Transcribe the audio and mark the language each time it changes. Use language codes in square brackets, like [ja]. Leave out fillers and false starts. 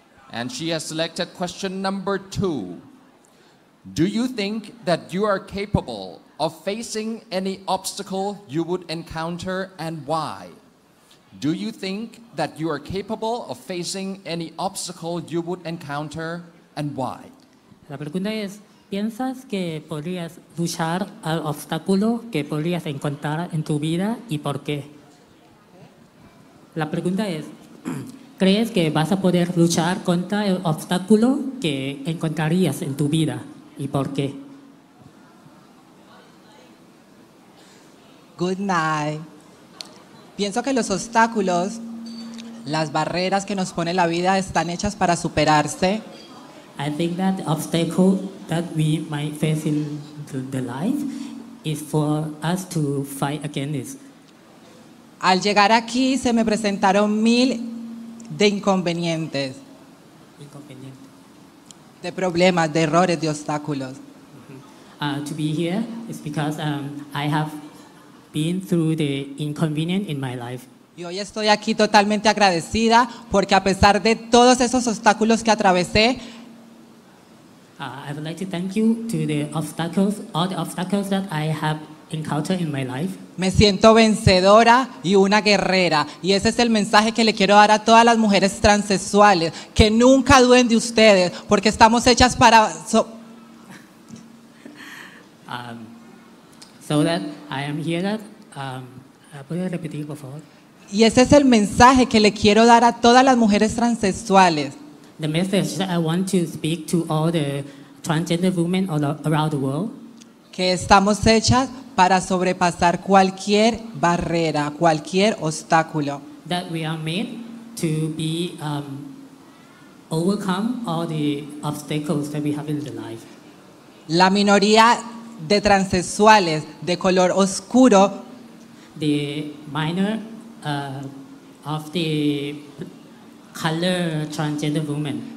[en] And she has selected question number two. Do you think that you are capable of facing any obstacle you would encounter, and why? Do you think that you are capable of facing any obstacle you would encounter, and why? [es] La pregunta es, ¿piensas que podrías luchar al obstáculo que podrías encontrar en tu vida y por qué? La pregunta es, ¿crees que vas a poder luchar contra el obstáculo que encontrarías en tu vida y por qué? [en] Good night. [es] Pienso que los obstáculos, las barreras que nos pone la vida, están hechas para superarse. [en] I think that the obstacle that we might face in the life is for us to fight against it. [es] Al llegar aquí se me presentaron mil de inconvenientes. Inconvenientes. De problemas, de errores, de obstáculos. Mm-hmm. [en] To be here is because I have been through the inconvenient in my life. [es] Y hoy estoy aquí totalmente agradecida porque a pesar de todos esos obstáculos que atravesé, [en] I would like to thank you to the obstacles, all the obstacles that I have encountered in my life. [es] Me siento vencedora y una guerrera, y ese es el mensaje que le quiero dar a todas las mujeres transexuales, que nunca duden de ustedes, porque estamos hechas para. [en] So that I am here. That, [es] ¿puedes repetir, por favor? Y ese es el mensaje que le quiero dar a todas las mujeres transexuales. [en] The message that I want to speak to all the transgender women all around the world. [es] Que estamos hechas para sobrepasar cualquier barrera, cualquier obstáculo. [en] That we are made to be overcome all the obstacles that we have in the life. [es] La minoría de transexuales de color oscuro. [en] The minor of the color transgender women.